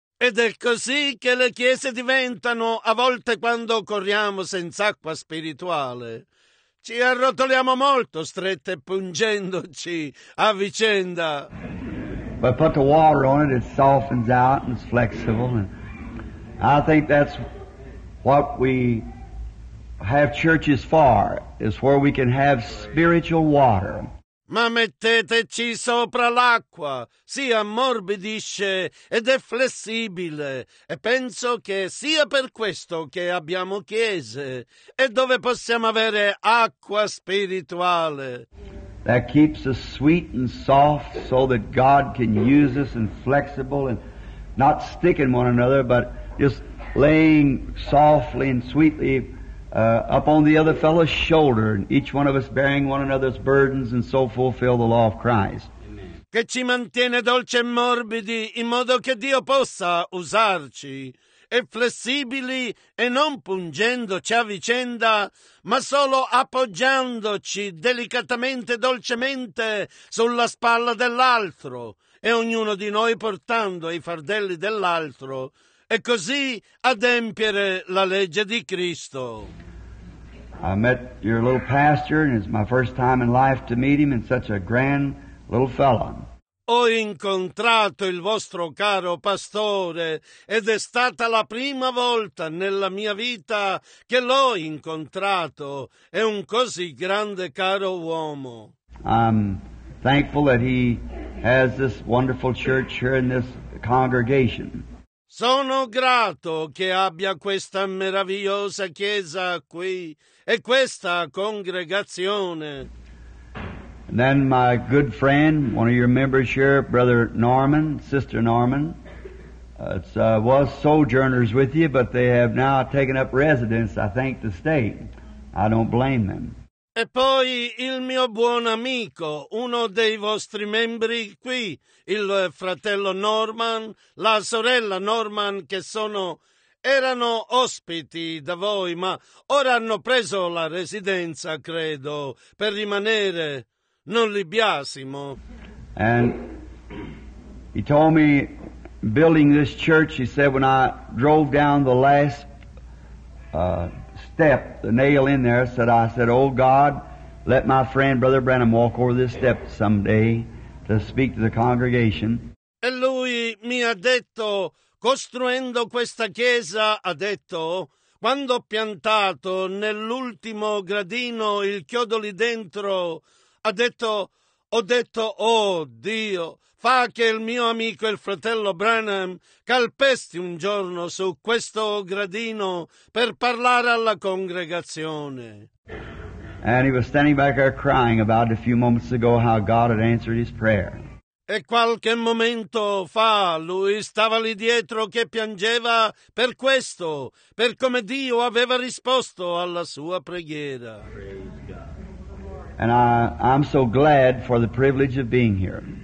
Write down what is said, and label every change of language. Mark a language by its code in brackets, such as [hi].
[it] Ed è così che le chiese diventano a volte quando corriamo senza acqua spirituale. Ci arrotoliamo molto strette pungendoci a vicenda. [en] But put the water on it, it softens out and it's flexible. And I think that's what we have churches for, is where we can have spiritual water. [it] Ma metteteci sopra l'acqua, si ammorbidisce ed è flessibile. E penso che sia per questo che abbiamo chiese e dove possiamo avere acqua spirituale. [en] That keeps us sweet and soft so that God can use us and flexible and not sticking one another, but just laying softly and sweetly up on the other fellow's shoulder, and each one of us bearing one another's burdens and so fulfill the law of Christ. Amen. [it] Che ci mantiene dolci e morbidi in modo che Dio possa usarci. E flessibili e non pungendoci a vicenda, ma solo appoggiandoci delicatamente, dolcemente sulla spalla dell'altro, e ognuno di noi portando i fardelli dell'altro, e così adempiere la legge di Cristo. [en] I met your little pastor, and it's my first time in life to meet him, and such a grand little fellow. [it] Ho incontrato il vostro caro pastore ed è stata la prima volta nella mia vita che l'ho incontrato. È un così grande caro uomo. [en] I'm thankful that he has this wonderful church here in this congregation. [it] Sono grato che abbia questa meravigliosa chiesa qui e questa congregazione. [en] And then my good friend, one of your members here, Brother Norman, Sister Norman, was sojourners with you, but they have now taken up residence, I think, to stay. I don't blame them. [it] E poi il mio buon amico, uno dei vostri membri qui, il fratello Norman, la sorella Norman, che sono, erano ospiti da voi, ma ora hanno preso la residenza, credo, per rimanere. Non li biasimo. [en] And he told me, building this church, he said, when I drove down the last step, the nail in there, I said, oh God, let my friend Brother Branham walk over this step someday to speak to the congregation. [it] E lui mi ha detto, costruendo questa chiesa, ha detto, quando ho piantato nell'ultimo gradino il chiodo lì dentro, ha detto, ho detto, oh Dio, fa che il mio amico il fratello Branham calpesti un giorno su questo gradino per parlare alla congregazione. [en] And he was standing back there crying about a few moments ago how God had answered his prayer. [it] E qualche momento fa lui stava lì dietro che piangeva per questo, per come Dio aveva risposto alla sua preghiera. [en] And I'm so glad for the privilege of being here.